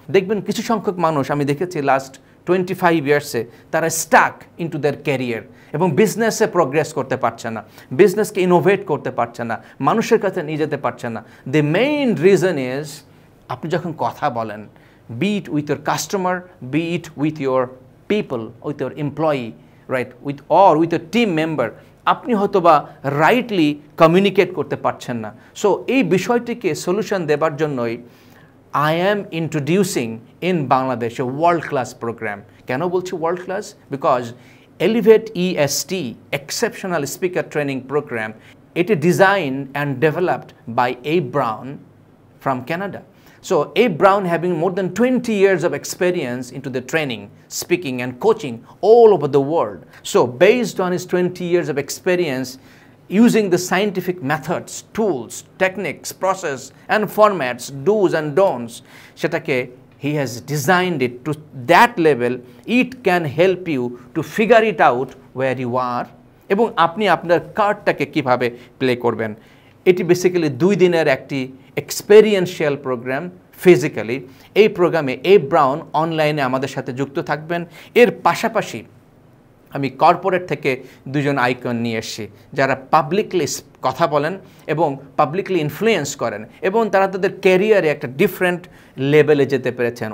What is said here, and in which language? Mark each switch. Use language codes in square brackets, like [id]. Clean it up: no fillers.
[bn] দেখবেন কিছু সংখ্যক মানুষ আমি দেখেছি লাস্ট 25 ইয়ার্সে তারা stuck in to their career এবং বিজনেসে প্রোগ্রেস করতে পারছে না, বিজনেসকে ইনোভেট করতে পারছে না, মানুষের কাছে নিয়ে যেতে পারছে না। [en] the main reason is আপনি যখন কথা বলেন, be it with your customer, be it with your people, with your employee, right, with or with your team member, [bn] আপনি হয়তো বা রাইটলি কমিউনিকেট করতে পারছেন না। সো এই বিষয়টিকে সলিউশন দেবার জন্যই [en] I am introducing in Bangladesh a world-class program. Can I say world-class? Because Elevate EST, Exceptional Speaker Training Program, it is designed and developed by Abe Brown from Canada. So Abe Brown having more than 20 years of experience into the training, speaking and coaching all over the world. So based on his 20 years of experience, using the scientific methods, tools, techniques, process and formats, do's and don'ts, shetake he has designed it to that level, it can help you to figure it out where you are [bn] ebong apni apnar card take kibhabe play korben. [en] It is basically 2 diner ekti experiential program. [bn] Physically ei programme A Brown online e amader sathe jukto thakben, er pashapashi আমি corporate থেকে দুজন icon নিয়ে এসেছি যারা publicly কথা বলেন এবং publicly influence করেন এবং তারা তাদের ক্যারিয়ারে একটা ডিফারেন্ট লেভেলে যেতে পেরেছেন।